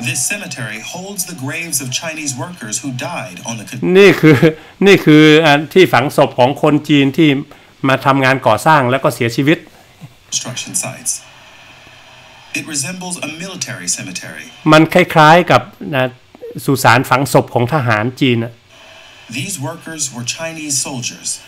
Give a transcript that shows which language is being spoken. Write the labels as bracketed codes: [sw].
[en] This cemetery holds the graves of Chinese workers who died on the [th] นี่คือที่ฝังศพของคนจีนที่มาทำงานก่อสร้างแล้วก็เสียชีวิต [en] Construction sites It resembles a military cemetery [th] มันคล้ายๆกับนะสุสานฝังศพของทหารจีน [en] These workers were Chinese soldiers